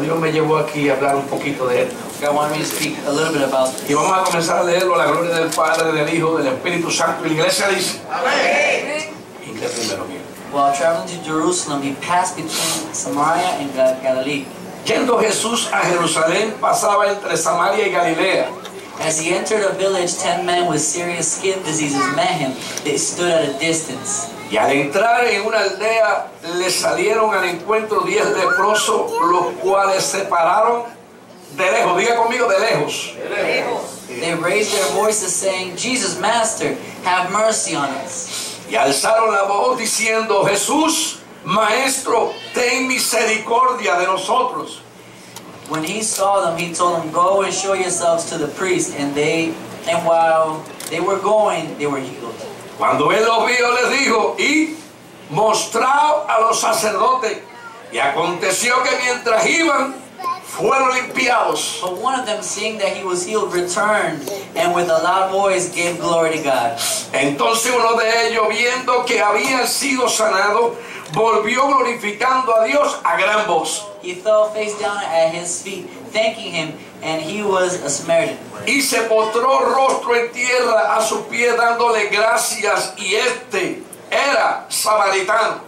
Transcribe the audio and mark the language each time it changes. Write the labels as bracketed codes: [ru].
[es] Dios me llevó aquí a hablar un poquito de esto. [en] God wanted me to speak a little bit about this. [es] Y vamos a comenzar a leerlo. La gloria del Padre, del Hijo, del Espíritu Santo. Y la iglesia dice: Amén. [en] While traveling to Jerusalem, he passed between Samaria and Galilee. [es] Yendo Jesús a Jerusalén, pasaba entre Samaria y Galilea. [en] As he entered a village, 10 men with serious skin diseases met him. They stood at a distance. [es] Y al entrar en una aldea, le salieron al encuentro 10 leprosos, los cuales se pararon de lejos. Diga conmigo, de lejos. De lejos. [en] They raised their voices saying, Jesus, Master, have mercy on us. [es] Y alzaron la voz diciendo, Jesús, Maestro, ten misericordia de nosotros. [en] When he saw them, he told them, Go and show yourselves to the priest. And while they were going, they were healed. [es] Cuando él los vio, les dijo, y mostraos a los sacerdotes. Y aconteció que mientras iban, fueron limpiados. [en] But one of them, seeing that he was healed, returned, and with a loud voice gave glory to God. [es] Entonces uno de ellos, viendo que había sido sanado, volvió glorificando a Dios a gran voz. [en] He fell face down at his feet, thanking him, and he was a Samaritan. [es] Y se postró rostro en tierra a sus pies, dándole gracias, y este era samaritano.